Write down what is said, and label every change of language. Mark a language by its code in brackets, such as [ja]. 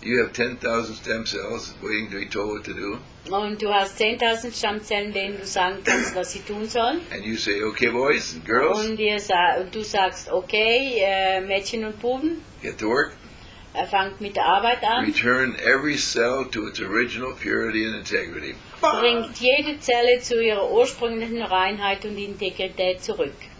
[en] You have 10,000 stem cells waiting to be told what to do. [de] Und du hast 10,000 Stammzellen, denen du sagen kannst, was sie tun sollen. [en] And you say, okay, boys and girls. [de] Und du sagst, okay, Mädchen und Buben. [en] Get to work. [de] Fangt mit der Arbeit an. [en] Return every cell to its original purity and integrity. [de] Bringt jede Zelle zu ihrer ursprünglichen Reinheit und Integrität zurück.